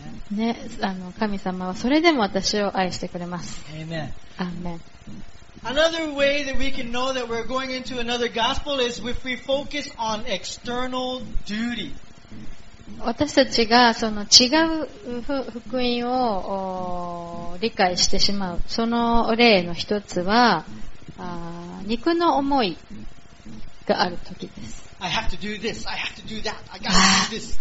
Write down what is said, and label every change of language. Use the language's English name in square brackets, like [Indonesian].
[Japanese] ね、あの神様はそれでも私を愛してくれます。 [English] Amen. [Japanese] アーメン。 [English] Another way that we can know that we're going into another gospel is if we focus on external duty. [Japanese] 私たちがその違う福音を理解してしまう、その例の一つは肉の思いがある時です。 [English] I have to do this. I have to do that. I gotta do this.